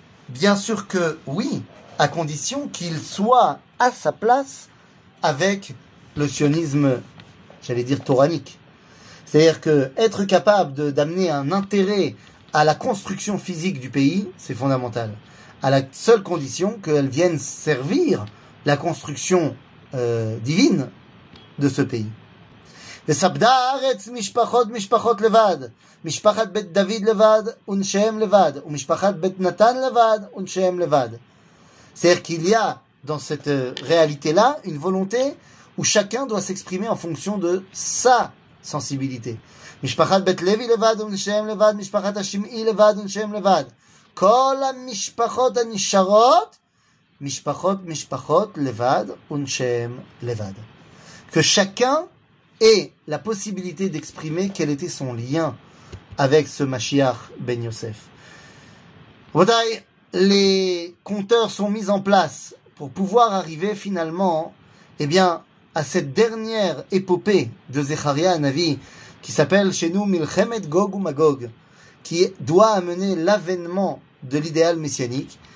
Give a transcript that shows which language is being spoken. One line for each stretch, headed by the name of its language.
French: Bien sûr que oui, à condition qu'il soit à sa place avec le sionisme, j'allais dire, toranique. C'est-à-dire que être capable de, d'amener un intérêt à la construction physique du pays, c'est fondamental. À la seule condition qu'elle vienne servir la construction divine de ce pays.
Hebrew: וסבדה הארץ משפחות משפחות לבד, משפחת בית דוד לבד ונשיהם לבד, ומשפחת בית נתן לבד ונשיהם לבד.
French: C'est-à-dire qu'il y a dans cette réalité-là une volonté où chacun doit s'exprimer en fonction de sa sensibilité.
Hebrew: משפחת בית לוי לבד ונשיהם לבד, משפחת השמעי לבד ונשיהם לבד. כל המשפחות הנשארות, משפחות משפחות לבד ונשיהם לבד.
French: Que chacun ait la possibilité d'exprimer quel était son lien avec ce Mashiach Ben Yosef. Les compteurs sont mis en place pour pouvoir arriver finalement, eh bien, à cette dernière épopée de Zecharia Hanavi, qui s'appelle chez nous Milchemet Gog ou Magog, qui doit amener l'avènement de l'idéal messianique.